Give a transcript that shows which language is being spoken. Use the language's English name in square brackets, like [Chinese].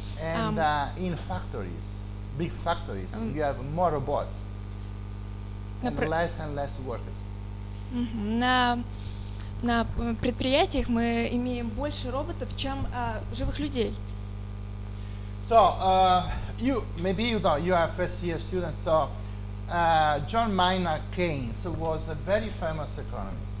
[English] and in factories, big factories, you have more robots and less and less workers. [Russian] На предприятиях мы имеем больше роботов, чем живых людей. [English] So you maybe you don't, you are first year student, so John Maynard Keynes was a very famous economist.